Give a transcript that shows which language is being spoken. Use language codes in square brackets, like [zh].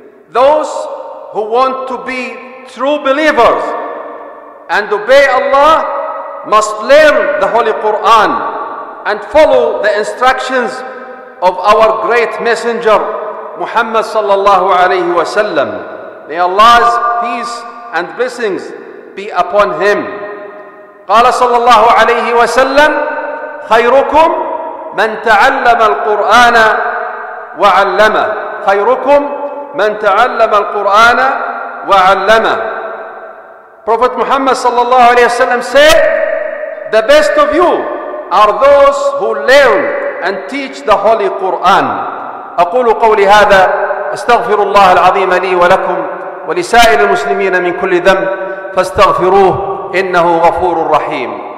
[en] Those who want to be true believers and obey Allah must learn the Holy Quran and follow the instructions of our great messenger Muhammad [ar] sallallahu alayhi wa sallam. [en] May Allah's peace and blessings be upon him. [ar] قال صلى الله عليه وسلم: خيركم من تعلم القرآن وعلمه. خيركم من تعلم القرآن وعلمه. [en] Prophet Muhammad [ar] صلى الله عليه وسلم [en] said, the best of you are those who learn and teach the Holy Quran. [ar] أقول قولي هذا، أستغفر الله العظيم لي ولكم ولسائر المسلمين من كل ذنب، فاستغفروه إنه غفور رحيم.